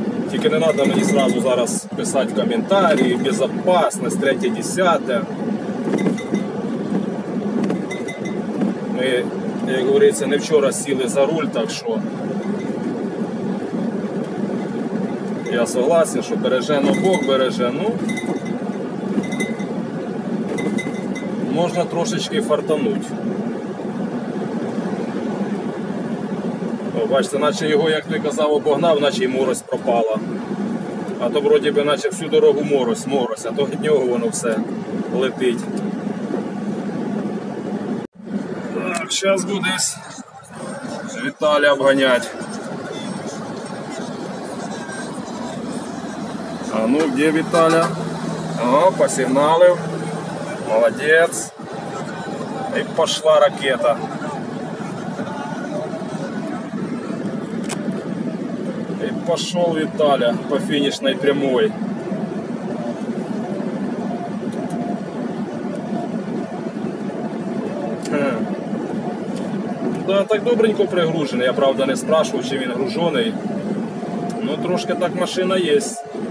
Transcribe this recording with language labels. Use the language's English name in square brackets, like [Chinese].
[Ukrainian] Тільки не треба мені зразу зараз писати коментарі, безпечність, третє, десяте. Ми, як говориться, не вчора сіли за руль, так що я согласен, що бережено Бог береже. Ну, можна трошечки фартануть. О, бачите, наче його, як той казав, обогнав, наче й морось пропала. А то вроді би наче всю дорогу морось, а то від нього воно все летить. Так, зараз буде Віталя обганяти. [Russian] А ну, где Виталя? О, посигналив. Молодец. И пошла ракета. И пошел Виталя по финишной прямой. [Ukrainian] Да, так добренько пригружений. [Russian] Я, правда, не спрашивал, [Ukrainian] чи він гружений. Ну, трошки так машина есть.